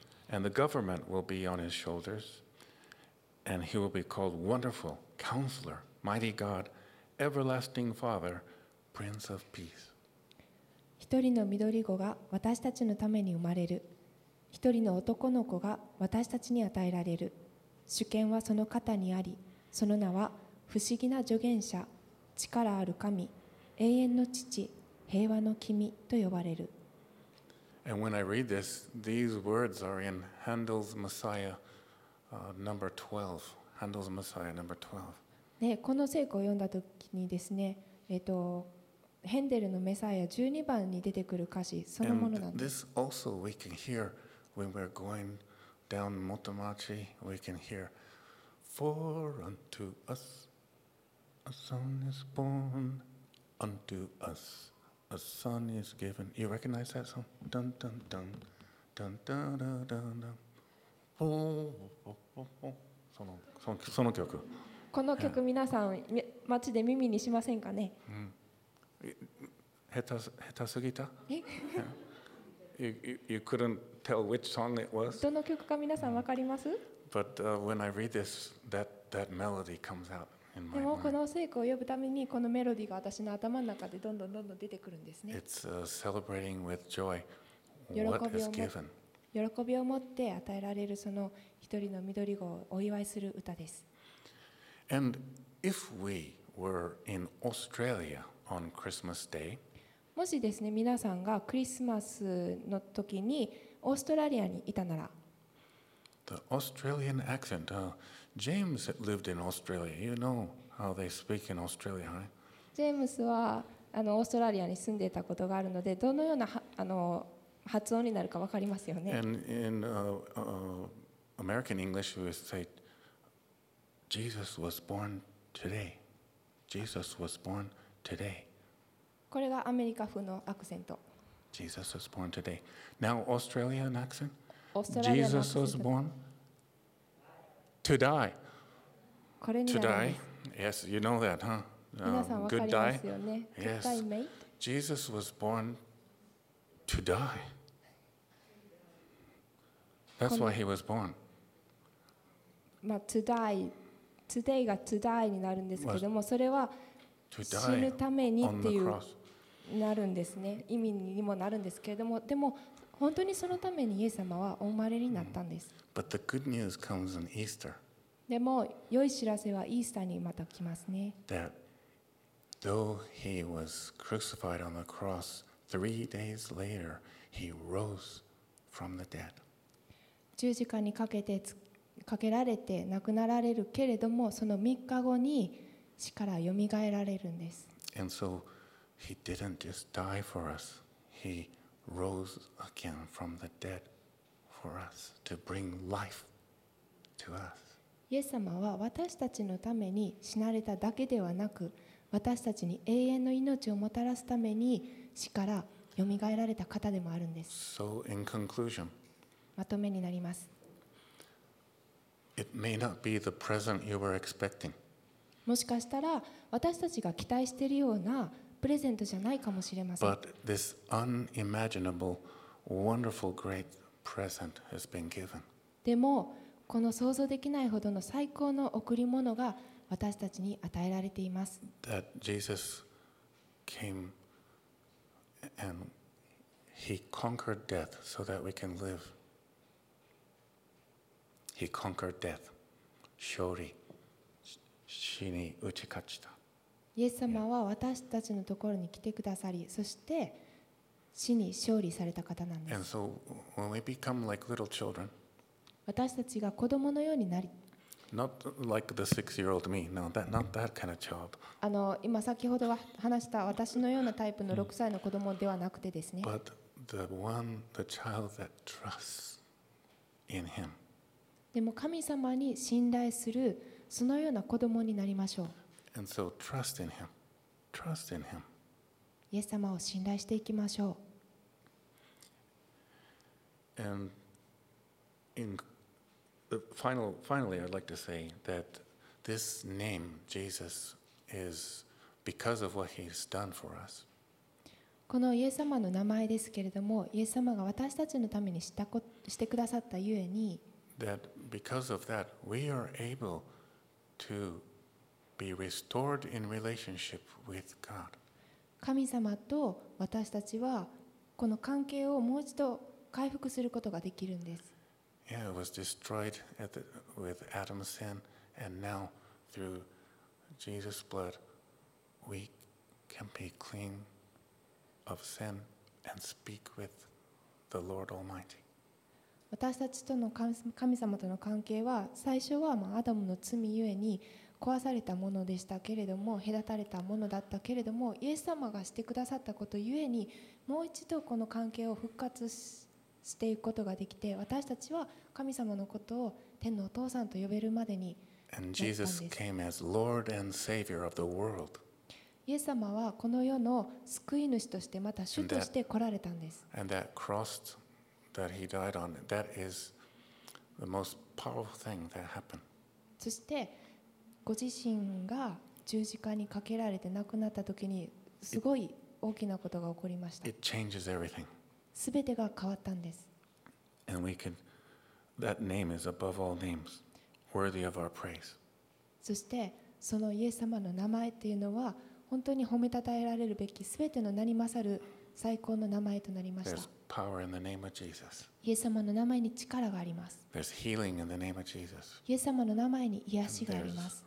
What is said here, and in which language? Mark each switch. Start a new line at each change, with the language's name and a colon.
English: And the government will be on his shoulders, and he will be called Wonderful, Counselor, Mighty God, Everlasting Father, Prince of Peace.
Japanese: 一人の緑子が私たちのために生まれる。一人の男の子が私たちに与えられる。主権はその肩にあり、その名は不思議な助言者、力ある神、永遠の父、平和の君と呼ばれる。
English: And when I read this, these words are in Handel's Messiah, number 12. Handel's Messiah, number 12.
Japanese: ね、この聖句を読んだときにですね、ヘンデルのメサイア12番に出てくる歌詞そのものなんです。
English: And this also we can hear when we're going down Motomachi. We can hear, For unto us a son is born, unto us. A son is given. You recognize that song? Dun dun dun, dun dun dun dun dun.
Japanese: Oh, oh, oh, oh. その曲。この曲、yeah. 皆さん街で耳にしませんかね。うん。下手すぎた？え？
English: You couldn't tell which song it was.
Japanese: どの曲か皆さんわかります
English: ？But when I read this, that melody comes out.
Japanese: でもこの聖句を呼ぶためにこのメロディーが私の頭の中でどんどんどんどん出てくるんですね。
English: It's celebrating with joy what is given.
Japanese: 喜びを持って与えられるその一人の緑子をお祝いする歌です。
English: And if we were in Australia on Christmas Day,
Japanese: もしですね皆さんがクリスマスの時にオーストラリアにいたなら、
English: The Australian accent. James lived in Australia. You know how they speak in Australia, right?
Japanese: James はオーストラリアに住んでいたことがあるので、どのような発音になるか分かりますよね。
English: And in American English, we say, Jesus was born today. Jesus was born today.
Japanese: これがアメリカ風のアクセント。
English: Jesus was born today. Now, Australian accent?
Japanese: オーストラリアのアクセント。
English: Jesus was born? To die.
Japanese: これになるんです。
English: To die. Yes, you know that, huh?
Japanese: 皆さん分かりますよね。
English: Good die. Yes. Jesus was born to die. That's why he was born.
Japanese: まあ、to die. Today が to die になるんですけれども、それは死ぬためにっていうなるんですね。意味にもなるんですけれども、でも本当にそのためにイエス様はお生まれになったんです。
English: But the good news comes on Easter.
Japanese: でも良い知らせはイースターにまた来ますね。
English: That Though he was crucified on the cross, 3 days later, he rose from the dead.
Japanese: 十字架にかけてかけられて亡くなられるけれども、その3日後に死からよみがえられるんです。
English: And so he didn't just die for us. He rose again from the dead for us to bring life to us.
Japanese: イエス様は私たちのために死なれただけではなく、私たちに永遠の命をもたらすために死からよみがえられた方でもあるんです。
English: So in conclusion,
Japanese: まとめになります。
English: It may not be the present you were expecting.
Japanese: もしかしたら私たちが期待しているようなプレゼントじゃないかもしれません。
English: But this unimaginable, wonderful, great present has been given.
Japanese: でもこの想像できないほどの最高の贈り物が私たちに与えられています。
English: That Jesus came and he conquered death so that we can live. He conquered death,
Japanese: 勝利。死に打ち勝ちた。イエス様は私たちのところに来てくださり、そして死に勝利された方なんです。
English: And so when we become like little children,
Japanese: 私たちが子供のようになり、
English: not like the six-year-old me, no, that not that kind of child.
Japanese: 今先ほど話した私のようなタイプの6歳の子供ではなくてですね。
English: But the one, the child that trusts in Him.
Japanese: でも神様に信頼する。そのような子供になりましょう。
English: And so trust in him. Trust in him.
Japanese: イエス様を信頼していきましょう。
English: And in the finally, I'd like to say that this name, Jesus, is because of what he's done for us.
Japanese: このイエス様の名前ですけれども、イエス様が私たちのためにしてくださったゆえに、
English: that because of that, we are able. To be restored in relationship with God.
Japanese: 神様と私たちはこの関係をもう一度回復することができるんです。
English: Yeah, it was destroyed at the, with Adam's sin, and now through Jesus' blood, we can be clean of sin and speak with the Lord Almighty.
Japanese: 私たちとの神様との関係は最初はアダムの罪ゆえに壊されたものでしたけれども、隔たれたものだったけれども、イエス様がしてくださったことゆえにもう一度この関係を復活していくことができて、私たちは神様のことを天のお父さんと呼べるまでになったんです。
English: Lord and Savior of the world.
Japanese: イエス様はこの世の救い主として、また主として来られたんです。
English: And that crossed. That he died on. That is the most powerful thing that happened.
Japanese: そしてご自身が十字架にかけられて亡くなった時にすごい大きなことが起こりました。
English: It changes everything.
Japanese: すべてが変わったんです。
English: And we can. That name is above all names, worthy of our praise.
Japanese: そしてそのイエス様の名前というのは本当に褒め称えられるべき、すべての名に勝る最高の名前となりました。
English: Power in the name of Jesus.
Japanese: イエス様の名前に力があります。
English: There's healing in the name of Jesus.
Japanese: イエス様の名前に癒しがあります。